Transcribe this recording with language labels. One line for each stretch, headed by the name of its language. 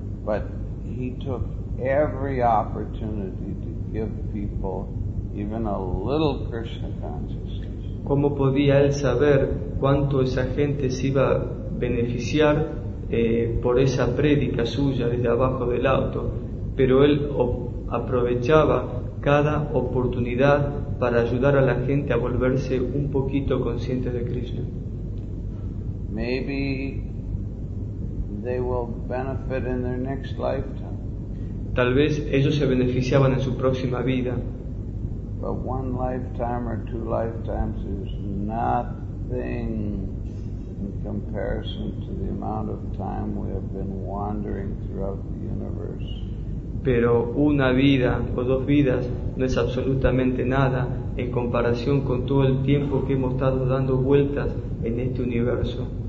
English: But he took every opportunity to give people even a little Krishna consciousness.
Spanish: ¿Cómo podía él saber cuánto esa gente se iba a beneficiar por esa prédica suya desde abajo del auto? Pero él aprovechaba cada oportunidad para ayudar a la gente a volverse un poquito consciente de Krishna.
English: Maybe they will benefit in their next lifetime.
Spanish: Tal vez ellos se beneficiaban en su próxima vida.
English: But one lifetime or two lifetimes is nothing in comparison to the amount of time we have been wandering throughout the universe.
Spanish: Pero una vida o dos vidas no es absolutamente nada en comparación con todo el tiempo que hemos estado dando vueltas en este universo.